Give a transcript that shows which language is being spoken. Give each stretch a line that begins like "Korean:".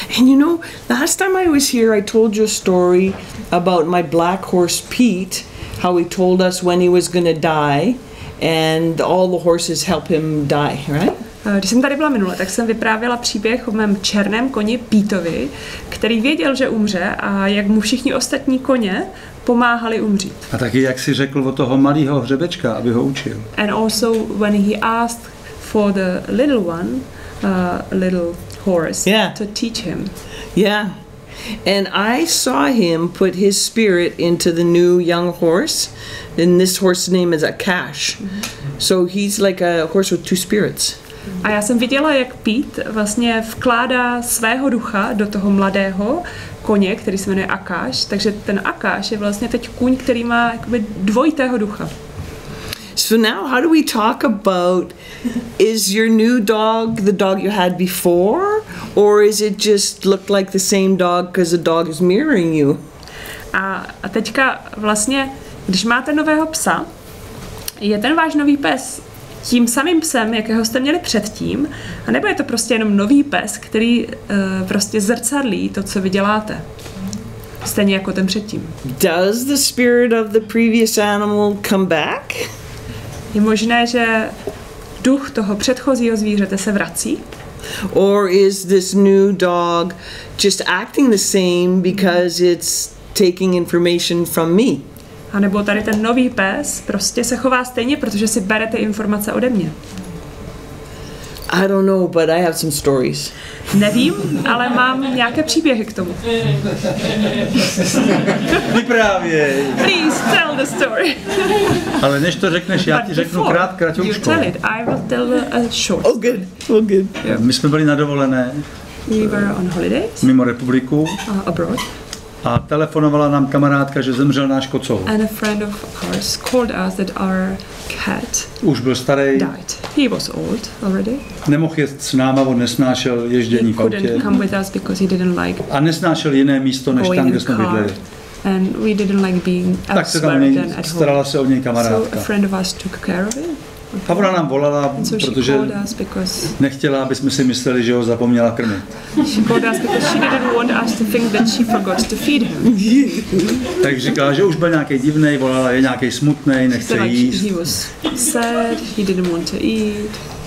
English: And you know, last time I was here, I told you a story about my black horse Pete, how he told us when he was going to die and all the horses help him die, right?
Czech: Když jsem tady byla minule, tak jsem vyprávěla příběh o mém černém koni Pítovi, který věděl, že umře a jak mu všichni ostatní koně pomáhali umřít. A taky jak jsi řekl o toho malého hřebečka, aby ho učil.
English: And also when he asked for the little one, little horse, yeah, to teach him. Yeah. And I saw him put his spirit into the new young horse, and this horse's name is Akash. So he's like a horse with two spirits.
Czech: A já jsem viděla, jak Pete vlastně vkládá svého ducha do toho mladého koně, který se jmenuje Akash. Takže ten Akash je vlastně teď kůň, který má jakoby dvojitého ducha.
English: So now how do we talk about, is your new dog the dog you had before, or is it just looked like the same dog because the dog is mirroring you?
Czech: A teďka vlastně, když máte nového psa, je ten váš nový pes tím samým psem, jakého jste měli předtím, a nebo je to prostě jenom nový pes, který prostě zrcadlí to, co vy děláte, stejně jako ten předtím.
English: Does the spirit of the previous animal come back?
Czech: Je možné, že duch toho předchozího zvířete se vrací?
English: Or is this new dog just acting the same because it's taking information from me?
Czech: A nebo tady ten nový pes prostě se chová stejně, protože si bere ty informace ode mě.
English: I don't know, but I have some stories.
Czech: Nevím, ale mám nějaké příběhy k tomu. Vyprávěj.
English: Please tell the story.
Czech: Ale než to řekneš, já ti řeknu kratoučko.
English: You tell it. I will tell a short. Oh good. Oh good. Yeah.
Czech: My jsme byli na dovolené.
English: We were on holidays.
Czech: Mimo republiku.
English: Abroad.
Czech: A telefonovala nám kamarádka, že zemřel náš kocour.
English: And a friend of ours called us that our cat.
Czech: Už byl starý.
English: Died. He was old already.
Czech: Nemohl jezdit s náma, on nesnášel ježdění v autě.
English: Couldn't come with us because he didn't like.
Czech: A nesnášel jiné místo než tam, kde jsme bydleli.
English: And we didn't like being elsewhere than at home.
Czech: Tak se tam starala se o něj kamarádka.
English: So a friend of us took care of him.
Czech: A ona nám volala, protože nechtěla, aby jsme si mysleli, že ho zapomněla krmit.
English: She called us because she didn't want us to think that she forgot to feed him.
Czech: Tak říkala, že už byl nějaký divný, volala, je nějaký smutný, nechce jíst.
English: He was sad, he didn't want to eat.